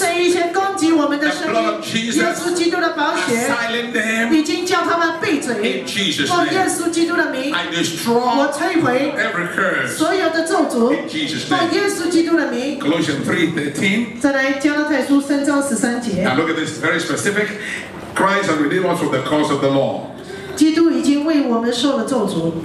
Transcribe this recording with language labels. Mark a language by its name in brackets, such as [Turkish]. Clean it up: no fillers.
[Chinese] 这一些攻击我们的声音 [English] the blood of Jesus, [Chinese] 耶稣基督的宝血 [English] silent them, [Chinese] 已经叫他们闭嘴奉耶稣基督的名 [English] I destroy [Chinese] 我摧毁所有的咒诅奉耶稣基督的名 [English] Colossians 3:13 [Chinese] 再来加拉太书三章十三节 [English] Now look at this very specific Christ has redeemed us from the curse of the law [Chinese] 基督已经为我们受了咒诅